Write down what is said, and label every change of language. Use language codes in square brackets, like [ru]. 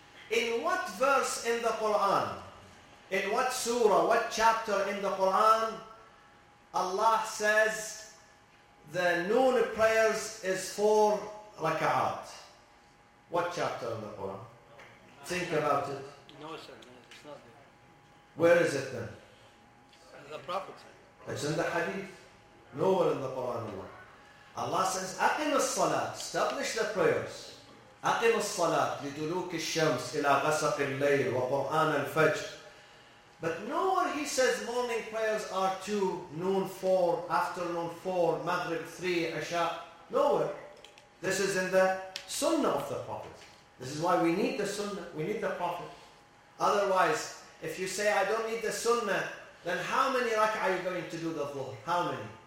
[en] In what verse in the Quran, in what surah, what chapter in the Quran, Allah says the noon prayers is 4 raka'at? What chapter in the Quran? Think about it. No, sir. It's not there. Where is it then? The Prophet said. It's in the Hadith. Nowhere in the Quran. Allah says, [ar] أقم الصلاة. [en] Establish the prayers. [ar] أقم الصلاة لدلوك الشمس إلى غسق الليل وقرآن الفجر. [en] But nowhere he says morning prayers are 2, noon 4, afternoon 4, maghrib 3, isha. Nowhere. This is in the Sunnah of the Prophet. This is why we need the Sunnah. We need the Prophet. Otherwise, if you say, I don't need the sunnah, then how many rak'ah are you going to do the dhuhr? How many?